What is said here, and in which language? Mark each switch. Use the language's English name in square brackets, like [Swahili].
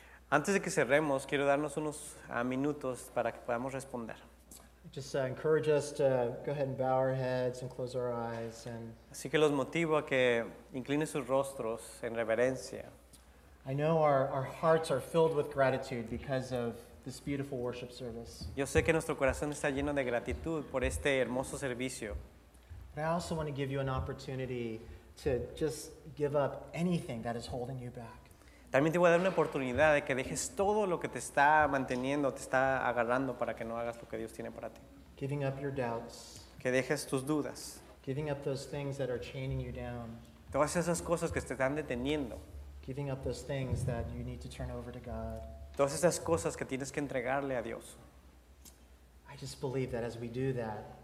[Spanish] Antes de que cerremos, quiero darnos unos minutos para que podamos responder. [English] Just encourage us to go ahead and bow our heads and close our eyes. And [Spanish] así que los motivo a que inclinen sus rostros en reverencia. [English] I know our hearts are filled with gratitude because of this beautiful worship service. [Spanish] Yo sé que nuestro corazón está lleno de gratitud por este hermoso servicio. [English] But I also want to give you an opportunity to just give up anything that is holding you back. [Spanish] También te voy a dar una oportunidad de que dejes todo lo que te está manteniendo, te está agarrando para que no hagas lo que Dios tiene para ti. [English] Giving up your doubts. [Spanish] Que dejes tus dudas. [English] Giving up those things that are chaining you down. [Spanish] Todas esas cosas que te están deteniendo. [English] Giving up those things that you need to turn over to God. [Spanish] Todas esas cosas que tienes que entregarle a Dios. [English] I just believe that as we do that,